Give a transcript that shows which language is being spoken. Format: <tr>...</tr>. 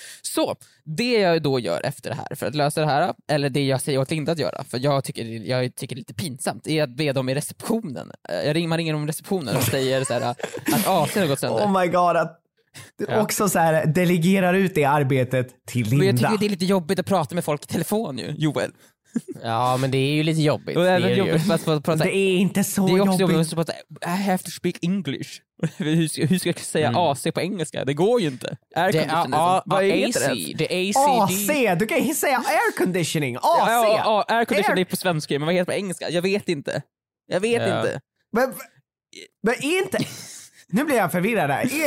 <sv>Så, det jag då gör efter det här för att lösa det här, eller det jag säger åt Linda att göra, för jag tycker det är lite pinsamt, är att be dem i receptionen. Man ringer dem i receptionen och säger så här, att AC har gått sönder.</sv> <en>Oh my god,</en> <sv>att Ja. Också så här, delegerar ut det arbetet till Linda. Men jag tycker det är lite jobbigt att prata med folk i telefon ju, Joel. Ja, men det är ju lite jobbigt. Det är, det är jobbigt att prata. Det är inte så jobbigt. Det är också jobbigt att prata.</sv> <en>I have to speak English.</en> <sv>Hur ska jag säga AC på engelska? Det går ju inte.</sv> <en>Air conditioning.</en> <sv>AC. Du kan ju säga air conditioning. AC. Air conditioning är på svenska, men vad heter det på engelska? Jag vet inte. Jag vet inte. Men inte. Nu blir jag förvirrad här.</sv>